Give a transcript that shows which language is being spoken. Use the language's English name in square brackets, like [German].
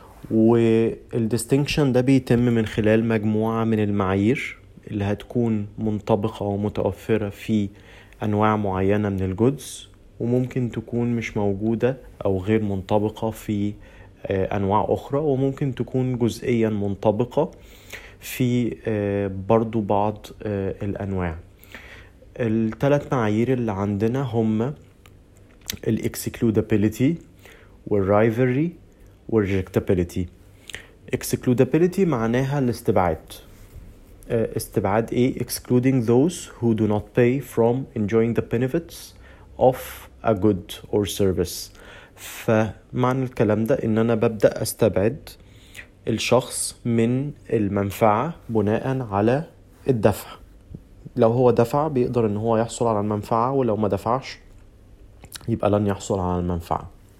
[Arabic] والديستينكشن ده بيتم من خلال مجموعة من المعايير اللي هتكون منطبقة ومتوفرة في أنواع معينة من الجودز، وممكن تكون مش موجودة أو غير منطبقة في أنواع أخرى، وممكن تكون جزئيا منطبقة في برضو بعض الأنواع. الثلاث معايير اللي عندنا هم الإكسكلودابيليتي والرايفري والريجكتابيليتي. Excludability معناها الاستبعاد. استبعاد ايه؟ [English] Excluding those who do not pay from enjoying the benefits of a good or service. [Arabic] فمعنى الكلام ده ان انا ببدأ استبعد الشخص من المنفعة بناء على الدفع. لو هو دفع بيقدر ان هو يحصل على المنفعة، ولو ما دفعش يبقى لن يحصل على المنفعة.